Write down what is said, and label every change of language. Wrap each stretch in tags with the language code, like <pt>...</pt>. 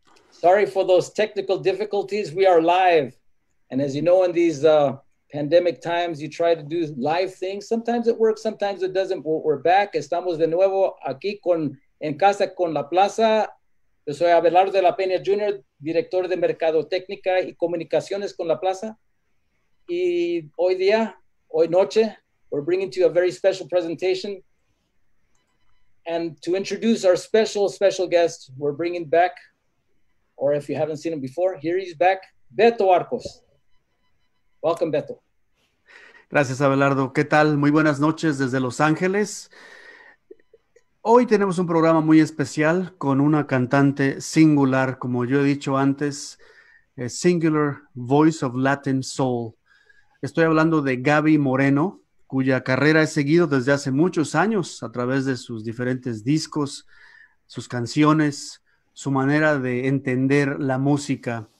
<en>Sorry for those technical difficulties. We are live. And as you know, in these pandemic times, you try to do live things. Sometimes it works, sometimes it doesn't, but we're back.</en> <es>Estamos de nuevo aquí con en casa con La Plaza. Yo soy Abelardo de la Peña Jr., director de Mercado Técnica y Comunicaciones con La Plaza. Y hoy día, hoy noche,</es> <en>we're bringing to you a very special presentation. And to introduce our special guest, we're bringing back, or if you haven't seen him before, here he's back, Betto Arcos. Welcome, Betto.</en> <es>Gracias, Abelardo. ¿Qué tal? Muy buenas noches desde Los Ángeles. Hoy tenemos un programa muy especial con una cantante singular, como yo he dicho antes,</es> <en>a singular voice of Latin soul.</en> <es>Estoy hablando de Gaby Moreno, cuya carrera he seguido desde hace muchos años a través de sus diferentes discos, sus canciones, su manera de entender la música.</es>